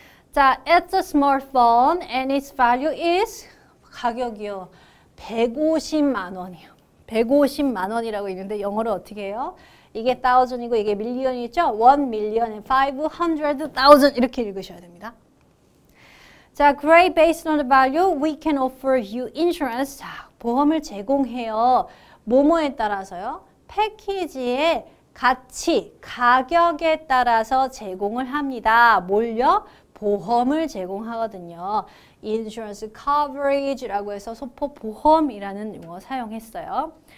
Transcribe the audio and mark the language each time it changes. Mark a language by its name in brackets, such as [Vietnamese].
[English] 자, it's a smartphone and its value is 가격이요. [Korean] 150만 원이요. 150만 원이라고 있는데 영어로 어떻게 해요? 이게 thousand이고 이게 million이죠? 1 million에 500,000 이렇게 읽으셔야 됩니다. [English] 자, great based on the value we can offer you insurance. [Korean] 자, 보험을 제공해요. 뭐뭐에 따라서요? 패키지의 가치, 가격에 따라서 제공을 합니다. 뭘요? 보험을 제공하거든요. Insurance coverage라고 해서 소포 보험이라는 용어 사용했어요.